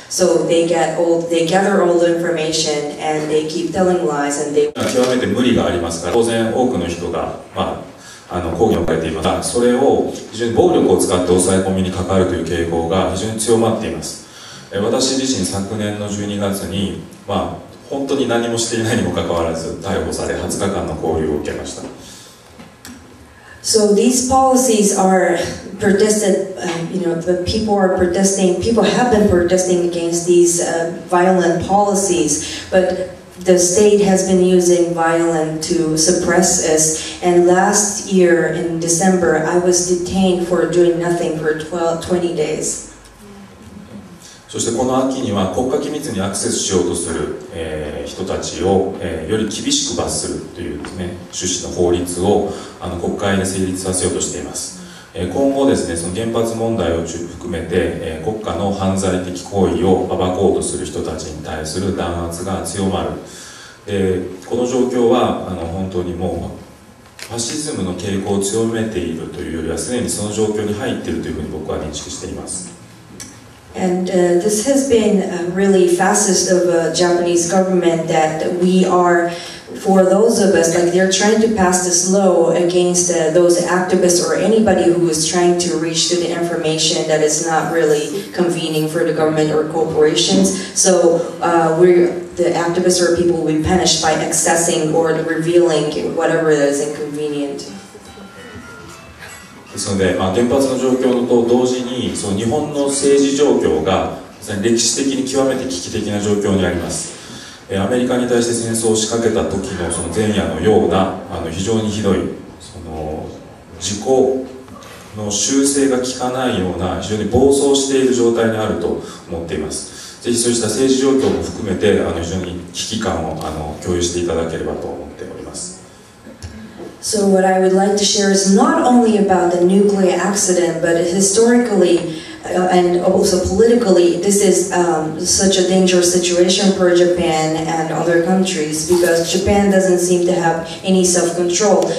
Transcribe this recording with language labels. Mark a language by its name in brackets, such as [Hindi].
[English] So they get all, they gather all the information and they keep telling lies and they... [Japanese] 極めて無理がありますから、当然多くの人が、抗議を受けていますが、それを非常に暴力を使って抑え込みにかかるという傾向が非常に強まっています。私自身昨年の12月に、本当に何もしていないにもかかわらず逮捕され20日間の勾留を受けました。 [English] So these policies are protested, you know, the people are protesting, people have been protesting against these violent policies, but the state has been using violence to suppress us. And last year in December, I was detained for doing nothing for 20 days. [Japanese] そしてこの秋には国家機密にアクセスしようとする、人たちを、より厳しく罰するというですね、趣旨の法律を国会で成立させようとしています。今後ですね、その原発問題を含めて、国家の犯罪的行為を暴こうとする人たちに対する弾圧が強まる。この状況は本当にもうファシズムの傾向を強めているというよりは、すでにその状況に入っているというふうに僕は認識しています。 [English] And this has been really fascist of a Japanese government that we are, for those of us, like they're trying to pass this law against those activists or anybody who is trying to reach to the information that is not really convenient for the government or corporations. So the activists or people will be punished by accessing or revealing whatever is inconvenient. [Japanese] ですので、原発の状況と同時に、その日本の政治状況が歴史的に極めて危機的な状況にあります。アメリカに対して戦争を仕掛けた時のその前夜のような非常にひどい、その自己の修正が効かないような非常に暴走している状態にあると思っています。ぜひそうした政治状況も含めて非常に危機感を共有していただければと思っております。 [English] So what I would like to share is not only about the nuclear accident, but historically and also politically, this is such a dangerous situation for Japan and other countries because Japan doesn't seem to have any self-control.